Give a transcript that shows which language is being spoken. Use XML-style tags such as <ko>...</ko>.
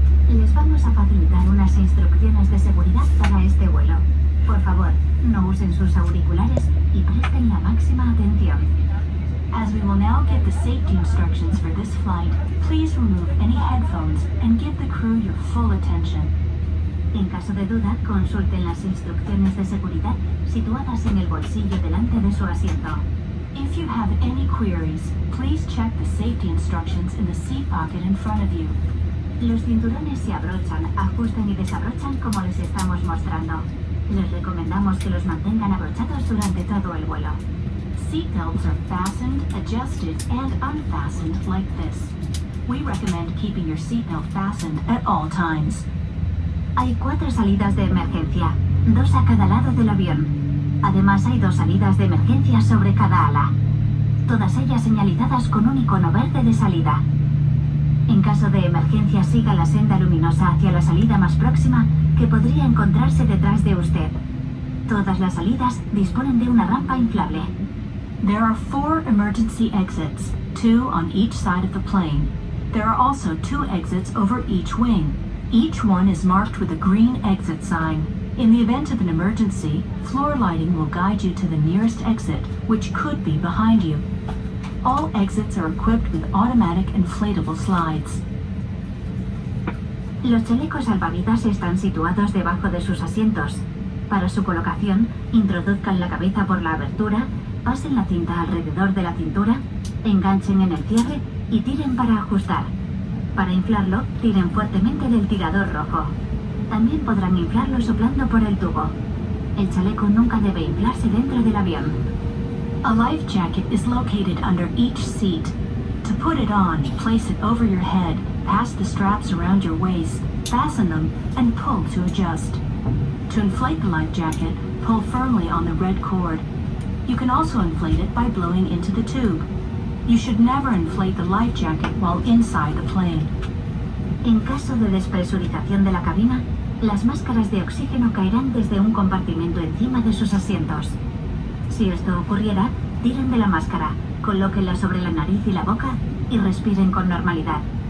<es>Les vamos a facilitar unas instrucciones de seguridad para este vuelo. Por favor, no usen sus auriculares y presten la máxima atención.</es> <en>As we will now give the safety instructions for this flight, please remove any headphones and give the crew your full attention.</en> <es>En caso de duda, consulten las instrucciones de seguridad situadas en el bolsillo delante de su asiento.</es> <en>If you have any queries, please check the safety instructions in the seat pocket in front of you.</en> <es>Los cinturones se abrochan, ajustan y desabrochan como les estamos mostrando. Les recomendamos que los mantengan abrochados durante todo el vuelo.</es> <en>Seat belts are fastened, adjusted, and unfastened like this. We recommend keeping your seat belt fastened at all times.</en> <es>Hay cuatro salidas de emergencia, dos a cada lado del avión. Además, hay dos salidas de emergencia sobre cada ala. Todas ellas señalizadas con un icono verde de salida. En caso de emergencia, siga la senda luminosa hacia la salida más próxima que podría encontrarse detrás de usted. Todas las salidas disponen de una rampa inflable.</es> <en>There are four emergency exits, two on each side of the plane. There are also two exits over each wing. Each one is marked with a green exit sign. In the event of an emergency, floor lighting will guide you to the nearest exit, which could be behind you. All exits are equipped with automatic inflatable slides.</en> <es>Los chalecos salvavidas están situados debajo de sus asientos. Para su colocación, introduzcan la cabeza por la abertura, pasen la cinta alrededor de la cintura, enganchen en el cierre y tiren para ajustar. Para inflarlo, tiren fuertemente del tirador rojo. También podrán inflarlo soplando por el tubo. El chaleco nunca debe inflarse dentro del avión.</es> <en>A life jacket is located under each seat. To put it on, place it over your head, pass the straps around your waist, fasten them, and pull to adjust. To inflate the life jacket, pull firmly on the red cord. You can also inflate it by blowing into the tube. You should never inflate the life jacket while inside the plane.</en> <es>En caso de despresurización de la cabina, las máscaras de oxígeno caerán desde un compartimento encima de sus asientos. Si esto ocurriera, tiren de la máscara, colóquenla sobre la nariz y la boca y respiren con normalidad.</es>